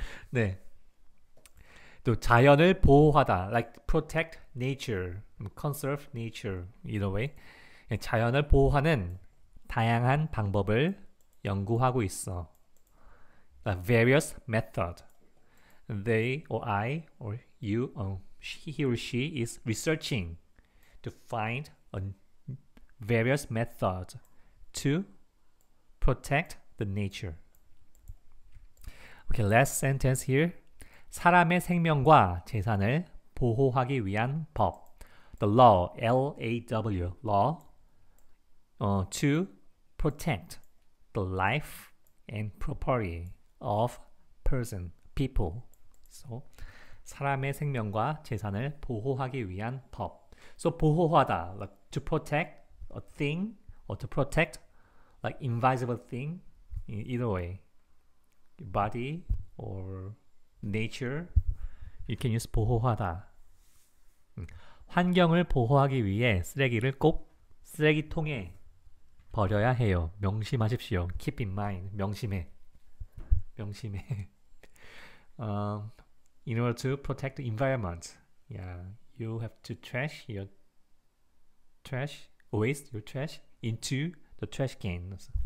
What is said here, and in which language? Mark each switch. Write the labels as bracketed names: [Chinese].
[English] 네. [Korean] 또 자연을 보호하다, [English] like protect nature, conserve nature, either way. [Korean] 자연을 보호하는 다양한 방법을 연구하고 있어. [English] The various method. They or I or you or he or she is researching to find a various method to protect the nature. Okay, last sentence here. [Korean] 사람의 생명과 재산을 보호하기 위한 법. [English] The law, L-A-W, law, to protect the life and property of person, people. [Korean] So, 사람의 생명과 재산을 보호하기 위한 법. [English] So, 보호하다, like to protect a thing or to protect like invisible thing, either way, body or nature, you can use 보호하다. [Korean] 환경을 보호하기 위해 쓰레기를 꼭 쓰레기통에 버려야 해요. 명심하십시오. [English] Keep in mind. [Korean] 명심해. 명심해. [English] In order to protect the environment, yeah, you have to waste your trash into the trash can.